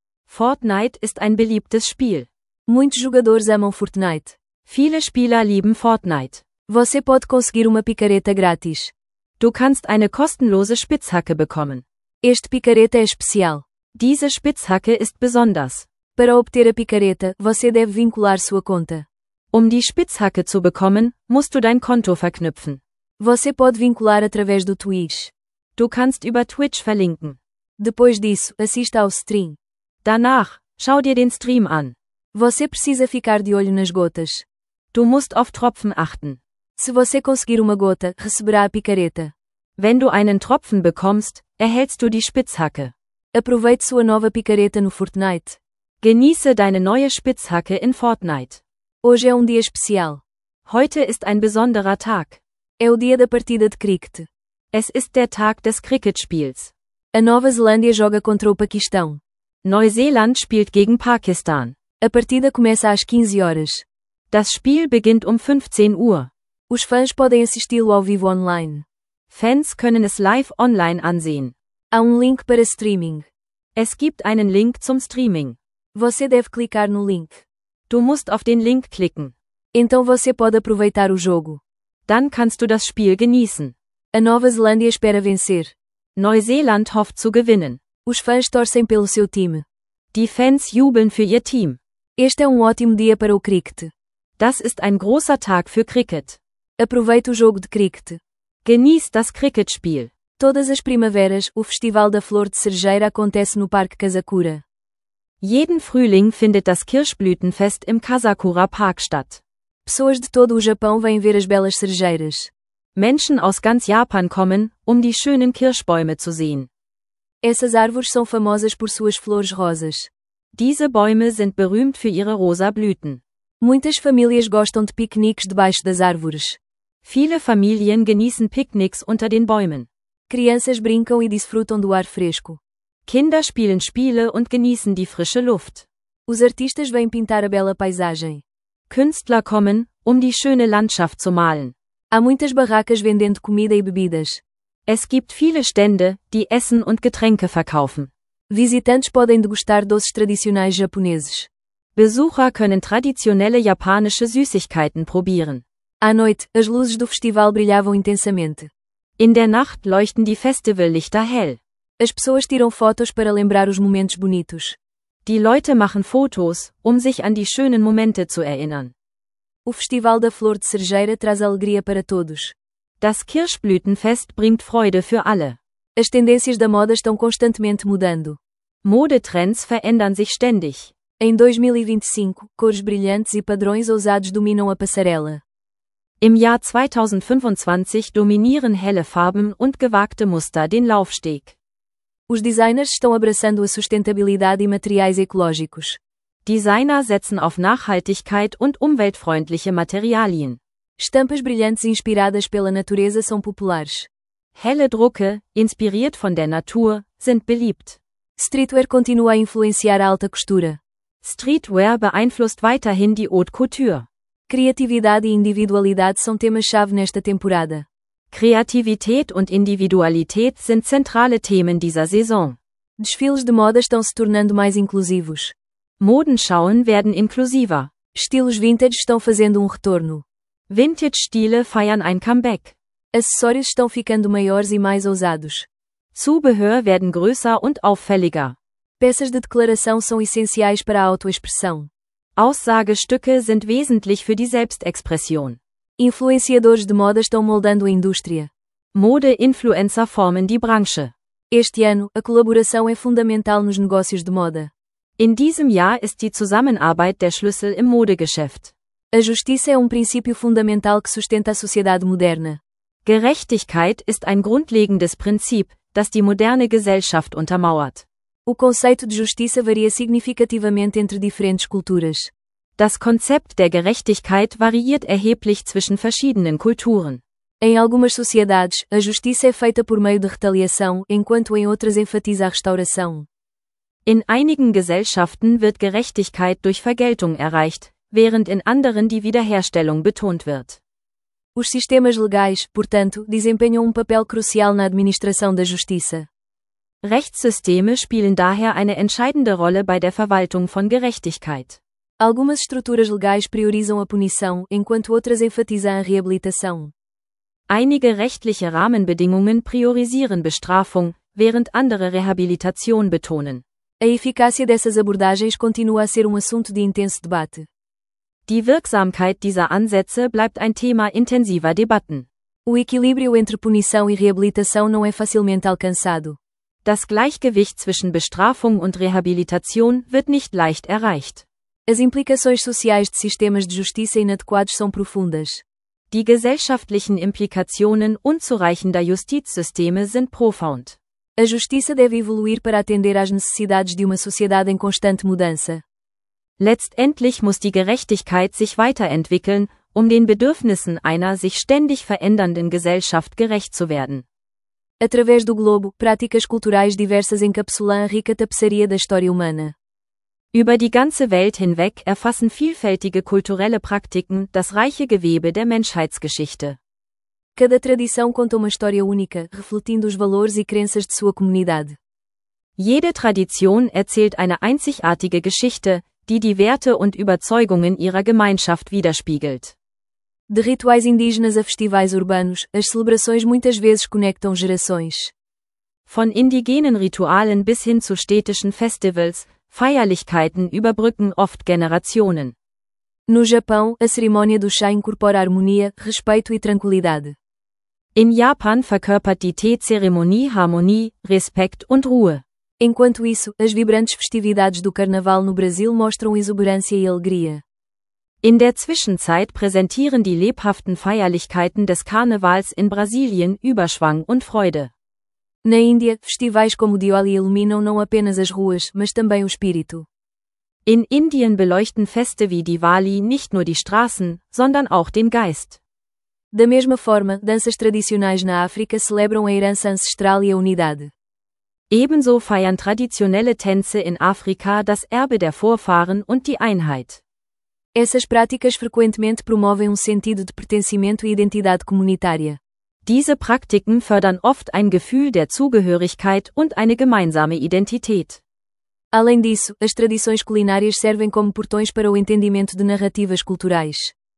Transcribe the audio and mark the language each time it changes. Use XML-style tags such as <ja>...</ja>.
<de>Fortnite ist ein beliebtes Spiel.</de> <pt>Muitos jogadores amam Fortnite.</pt> <de>Viele Spieler lieben Fortnite.</de> <pt>Você pode conseguir uma picareta grátis.</pt> <de>Du kannst eine kostenlose Spitzhacke bekommen.</de> <pt>Este picareta é especial.</pt> <de>Diese Spitzhacke ist besonders.</de> <pt>Para obter a picareta, você deve vincular sua conta.</pt> <de>Die Spitzhacke zu bekommen, musst du dein Konto verknüpfen.</de> <pt>Você pode vincular através do Twitch.</pt> <de>Du kannst über Twitch verlinken.</de> <pt>Depois disso, assista ao stream.</pt> <de>Danach, schau dir den Stream an.</de> <pt>Você precisa ficar de olho nas gotas.</pt> <de>Du musst auf Tropfen achten.</de> <pt>Se você conseguir uma gota, receberá a picareta.</pt> <de>Wenn du einen Tropfen bekommst, erhältst du die Spitzhacke.</de> <pt>Aproveite sua nova picareta no Fortnite.</pt> <de>Genieße deine neue Spitzhacke in Fortnite.</de> <pt>Hoje é dia especial.</pt> <de>Heute ist ein besonderer Tag.</de> <pt>É o dia da partida de cricket.</pt> <de>Es ist der Tag des Cricketspiels.</de> <pt>A Nova Zelândia joga contra o Paquistão.</pt> <de>Neuseeland spielt gegen Pakistan.</de> <pt>A partida começa às 15 horas.</pt> <de>Das Spiel beginnt 15 Uhr.</de> <pt>Os fãs podem assisti-lo ao vivo online.</pt> <de>Fans können es live online ansehen.</de> <pt>Há link para streaming.</pt> <de>Es gibt einen Link zum Streaming.</de> <pt>Você deve clicar no link.</pt> <de>Du musst auf den Link klicken.</de> <pt>Então você pode aproveitar o jogo.</pt> <de>Dann kannst du das Spiel genießen.</de> <pt>A Nova Zelândia espera vencer.</pt> <de>Neuseeland hofft zu gewinnen.</de> <pt>Os fãs torcem pelo seu time.</pt> <de>Die Fans jubeln für ihr Team.</de> <pt>Este é ótimo dia para o cricket.</pt> <de>Das ist ein großer Tag für Cricket.</de> <pt>Aproveite o jogo de cricket.</pt> <de>Genieß das Cricketspiel.</de> <pt>Todas as primaveras, o Festival da Flor de Cerejeira acontece no Parque Kasakura.</pt> <de>Jeden Frühling findet das Kirschblütenfest im Kasakura Park statt.</de> <pt>Pessoas de todo o Japão vêm ver as belas cerejeiras.</pt> <de>Menschen aus ganz Japan kommen, die schönen Kirschbäume zu sehen.</de> <pt>Essas árvores são famosas por suas flores rosas.</pt> <de>Diese Bäume sind berühmt für ihre rosa Blüten.</de> <pt>Muitas famílias gostam de piqueniques debaixo das árvores.</pt> <de>Viele Familien genießen Picknicks unter den Bäumen.</de> <pt>Crianças brincam e desfrutam do ar fresco.</pt> <de>Kinder spielen Spiele und genießen die frische Luft.</de> <pt>Os artistas vêm pintar a bela paisagem.</pt> <de>Künstler kommen, die schöne Landschaft zu malen.</de> <pt>Há muitas barracas vendendo comida e bebidas.</pt> <de>Es gibt viele Stände, die Essen und Getränke verkaufen.</de> <pt>Visitantes podem degustar doces tradicionais japoneses.</pt> <de>Besucher können traditionelle japanische Süßigkeiten probieren.</de> <pt>À noite, as luzes do festival brilhavam intensamente.</pt> <de>In der Nacht leuchten die Festivallichter hell.</de> <pt>As pessoas tiram fotos para lembrar os momentos bonitos.</pt> <de>Die Leute machen Fotos, sich an die schönen Momente zu erinnern.</de> <pt>O Festival da Flor de Cerejeira traz alegria para todos.</pt> <de>Das Kirschblütenfest bringt Freude für alle.</de> <pt>As tendências da moda estão constantemente mudando.</pt> <de>Modetrends verändern sich ständig.</de> <pt>Em 2025, cores brilhantes e padrões ousados dominam a passarela.</pt> <de>Im Jahr 2025 dominieren helle Farben und gewagte Muster den Laufsteg.</de> <pt>Os designers estão abraçando a sustentabilidade e materiais ecológicos.</pt> <de>Designer setzen auf Nachhaltigkeit und umweltfreundliche Materialien.</de> <pt>Estampas brilhantes inspiradas pela natureza são populares.</pt> <de>Helle Drucke, inspiriert von der Natur, sind beliebt.</de> <pt>Streetwear continua a influenciar a alta costura.</pt> <de>Streetwear beeinflusst weiterhin die Haute Couture.</de> <pt>Criatividade e individualidade são temas-chave nesta temporada.</pt> <de>Kreativität und Individualität sind zentrale Themen dieser Saison.</de> <pt>Desfiles de moda estão se tornando mais inclusivos.</pt> <de>Modenschauen werden inklusiver.</de> <pt>Estilos vintage estão fazendo retorno.</pt> <de>Vintage-Stile feiern ein Comeback.</de> <pt>Acessórios estão ficando maiores e mais ousados.</pt> <de>Zubehör werden größer und auffälliger.</de> <pt>Peças de declaração são essenciais para a autoexpressão.</pt> <de>Aussagestücke sind wesentlich für die Selbstexpression.</de> <pt>Influenciadores de moda estão moldando a indústria.</pt> <de>Mode-influencer formen die Branche.</de> <pt>Este ano, a colaboração é fundamental nos negócios de moda.</pt> <de>In diesem Jahr ist die Zusammenarbeit der Schlüssel im Modegeschäft.</de> <pt>A justiça é princípio fundamental que sustenta a sociedade moderna.</pt> <de>Gerechtigkeit ist ein grundlegendes Prinzip, das die moderne Gesellschaft untermauert.</de> <pt>O conceito de justiça varia significativamente entre diferentes culturas.</pt> <de>Das Konzept der Gerechtigkeit variiert erheblich zwischen verschiedenen Kulturen.</de> <pt>Em algumas sociedades, a justiça é feita por meio de retaliação, enquanto em outras enfatiza a restauração.</pt> <de>In einigen Gesellschaften wird Gerechtigkeit durch Vergeltung erreicht, während in anderen die Wiederherstellung betont wird.</de> <pt>Os sistemas legais, portanto, desempenham um papel crucial na administração da justiça.</pt> <de>Rechtssysteme spielen daher eine entscheidende Rolle bei der Verwaltung von Gerechtigkeit.</de> <pt>Algumas estruturas legais priorizam a punição, enquanto outras enfatizam a reabilitação.</pt> <de>Einige rechtliche Rahmenbedingungen priorisieren Bestrafung, während andere Rehabilitation betonen.</de> <pt>A eficácia dessas abordagens continua a ser um assunto de intenso debate.</pt> <de>Die Wirksamkeit dieser Ansätze bleibt ein Thema intensiver Debatten.</de> <pt>O equilíbrio entre punição e reabilitação não é facilmente alcançado.</pt> <de>Das Gleichgewicht zwischen Bestrafung und Rehabilitation wird nicht leicht erreicht.</de> <pt>As implicações sociais de sistemas de justiça inadequados são profundas.</pt> <de>Die gesellschaftlichen Implikationen unzureichender Justizsysteme sind profound.</de> <pt>A justiça deve evoluir para atender às necessidades de uma sociedade em constante mudança.</pt> <de>Letztendlich muss die Gerechtigkeit sich weiterentwickeln, um den Bedürfnissen einer sich ständig verändernden Gesellschaft gerecht zu werden.</de> <pt>Através do globo, práticas culturais diversas encapsulam a rica tapeçaria da história humana.</pt> <de>Über die ganze Welt hinweg erfassen vielfältige kulturelle Praktiken das reiche Gewebe der Menschheitsgeschichte.</de> <pt>Cada tradição conta uma história única, refletindo os valores e crenças de sua comunidade.</pt> <de>Jede Tradition erzählt eine einzigartige Geschichte, die die Werte und Überzeugungen ihrer Gemeinschaft widerspiegelt.</de> <pt>De rituais indígenas a festivais urbanos, as celebrações muitas vezes conectam gerações.</pt> <de>Von indigenen Ritualen bis hin zu städtischen Festivals, Feierlichkeiten überbrücken oft Generationen.</de> <pt>No Japão, a cerimônia do chá incorpora harmonia, respeito e tranquilidade.</pt> <de>In Japan verkörpert die Tee-Zeremonie Harmonie, Respekt und Ruhe.</de> <pt>Enquanto isso, as vibrantes festividades do Carnaval no Brasil mostram exuberância e alegria.</pt> <de>In der Zwischenzeit präsentieren die lebhaften Feierlichkeiten des Karnevals in Brasilien Überschwang und Freude.</de> <pt>Na Índia, festivais como Diwali iluminam não apenas as ruas, mas também o espírito.</pt> <de>In Indien beleuchten Feste wie Diwali nicht nur die Straßen, sondern auch den Geist.</de> <pt>Da mesma forma, danças tradicionais na África celebram a herança ancestral e a unidade.</pt> <de>Ebenso feiern traditionelle Tänze in Afrika das Erbe der Vorfahren und die Einheit.</de> <pt>Essas práticas frequentemente promovem sentido de pertencimento e identidade comunitária.</pt> <de>Diese Praktiken fördern oft ein Gefühl der Zugehörigkeit und eine gemeinsame Identität.</de> <pt>Além disso, as tradições culinárias servem como portões para o entendimento de narrativas culturais.</pt>